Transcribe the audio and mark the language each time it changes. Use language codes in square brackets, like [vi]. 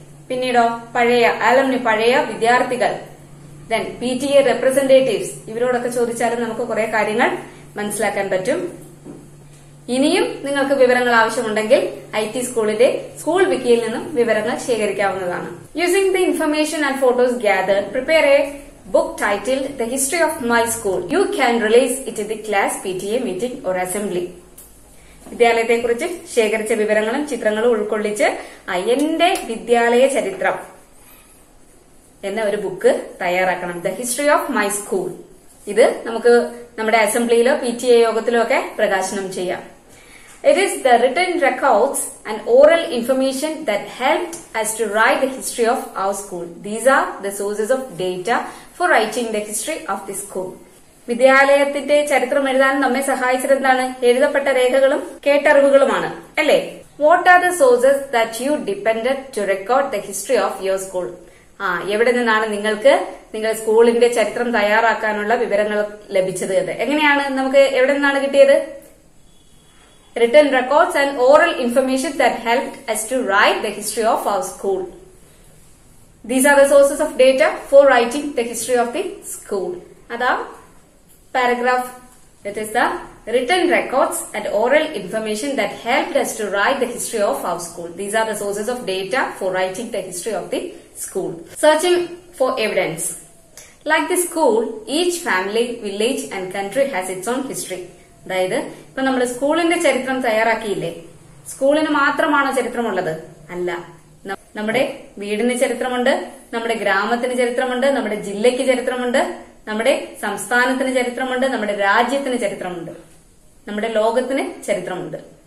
[ml] പിന്നീടോ പഴയ ആലംനി, പഴയ വിദ്യാർത്ഥികൾ, then P T A representatives, ഇവരോടൊക്കെ ചോദിച്ചാലും നമുക്ക് കുറെ കാര്യങ്ങൾ മനസ്സിലാക്കാൻ പറ്റും. ഇനിയും നിങ്ങൾക്ക് വിവരങ്ങൾ ആവശ്യമുണ്ടെങ്കിൽ ഐ ടി സ്കൂളിന്റെ സ്കൂൾ വിക്കിയിൽ നിന്നും വിവരങ്ങൾ ശേഖരിക്കാവുന്നതാണ്. [en] Using the information and photos gathered, prepare a book titled The History of My School. You can release it to the class PTA meeting or assembly. [ml] വിദ്യാലയത്തെ കുറിച്ച് ശേഖരിച്ച വിവരങ്ങളും ചിത്രങ്ങളും ഉൾക്കൊള്ളിച്ച് എന്റെ വിദ്യാലയ ചരിത്രം എന്ന ഒരു ബുക്ക് തയ്യാറാക്കണം. [en] The history of my school. [ml] ഇത് നമുക്ക് നമ്മുടെ അസംബ്ലിയിലോ പി ടി എ യോഗത്തിലോ ഒക്കെ പ്രകാശനം ചെയ്യാം. [en] It is the written records and oral information that helped us to write the history of our school. These are the sources of data for writing the history of the school. [ml] വിദ്യാലയത്തിന്റെ ചരിത്രം എഴുതാൻ നമ്മെ സഹായിച്ചത് എന്താണ്? എഴുതപ്പെട്ട രേഖകളും കേട്ടറിവുകളുമാണ് അല്ലേ. [en] What are the sources that you depended to record the history of your school? [ml] എവിടെ നിന്നാണ് നിങ്ങൾക്ക് നിങ്ങളുടെ സ്കൂളിന്റെ ചരിത്രം തയ്യാറാക്കാനുള്ള വിവരങ്ങൾ ലഭിച്ചത്? എങ്ങനെയാണ് നമുക്ക് എവിടെ നിന്നാണ് കിട്ടിയത്? [en] Written records and oral information that helped us to write the history of our school. These are the sources of data for writing the history of the school. Adha paragraph, it is the written records and oral information that helped us to write the history of our school. These are the sources of data for writing the history of the school. Searching for evidence. Like the school, each family, village and country has its own history. [ml] അതായത് ഇപ്പൊ നമ്മൾ സ്കൂളിന്റെ ചരിത്രം തയ്യാറാക്കിയില്ലേ, സ്കൂളിന് മാത്രമാണോ ചരിത്രമുള്ളത്? അല്ല, നമ്മുടെ വീടിന് ചരിത്രമുണ്ട്, നമ്മുടെ ഗ്രാമത്തിന് ചരിത്രമുണ്ട്, നമ്മുടെ ജില്ലയ്ക്ക് ചരിത്രമുണ്ട്, നമ്മുടെ സംസ്ഥാനത്തിന് ചരിത്രമുണ്ട്, നമ്മുടെ രാജ്യത്തിന് ചരിത്രമുണ്ട്, നമ്മുടെ ലോകത്തിന് ചരിത്രമുണ്ട്.